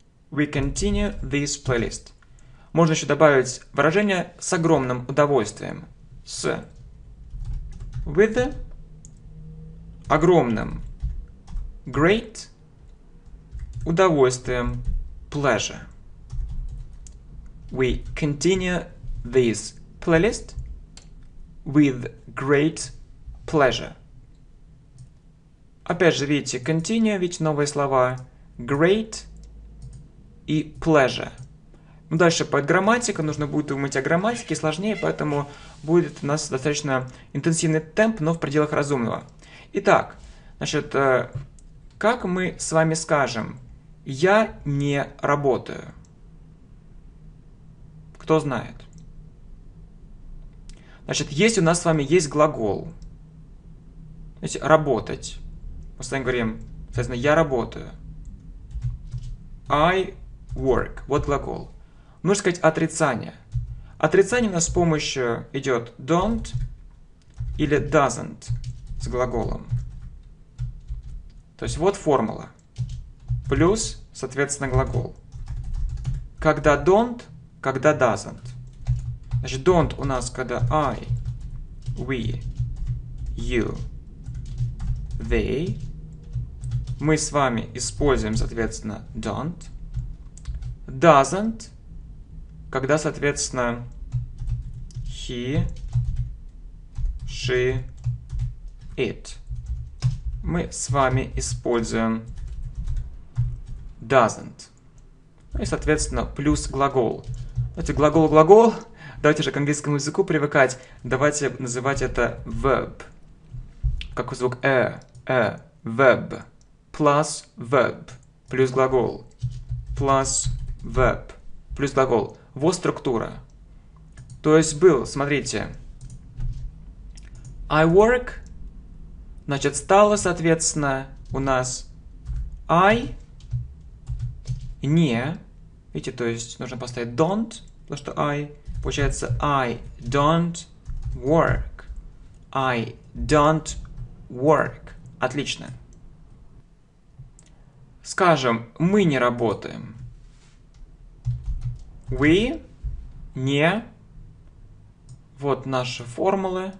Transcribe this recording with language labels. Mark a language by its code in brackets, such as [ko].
[en] We continue this playlist. [ru] Можно еще добавить выражение с огромным удовольствием. С. With. Огромным. Great. Удовольствием. Pleasure. [en] We continue this playlist with great pleasure. [ru] Опять же, видите, continue, видите, новые слова great и pleasure. Ну, дальше под грамматику, нужно будет думать о грамматике, сложнее, поэтому будет у нас достаточно интенсивный темп, но в пределах разумного. Итак, значит, как мы с вами скажем? Я не работаю. Кто знает? Значит, есть у нас с вами есть глагол. Значит, работать. Мы с вами говорим, соответственно, я работаю. [en] I work. Вот глагол. [ru] Нужно сказать отрицание. Отрицание у нас с помощью идет don't или doesn't с глаголом. То есть вот формула. Плюс, соответственно, глагол. Когда don't, когда doesn't. Значит, don't у нас, когда I, we, you, they. Мы с вами используем, соответственно, don't. Doesn't, когда, соответственно, he, she, it. Мы с вами используем doesn't. Ну и, соответственно, плюс глагол. Давайте глагол. Давайте же к английскому языку привыкать. Давайте называть это verb. Как звук э. Э. Verb. Plus verb. Плюс глагол. Plus verb. Плюс глагол. во структура. То есть был, смотрите. I work, значит, стало, соответственно, у нас I не. Видите, то есть нужно поставить don't, потому что I. [en] Получается, I don't work. I don't work. Отлично. [ru] Скажем, мы не работаем. We не. Вот наши формулы.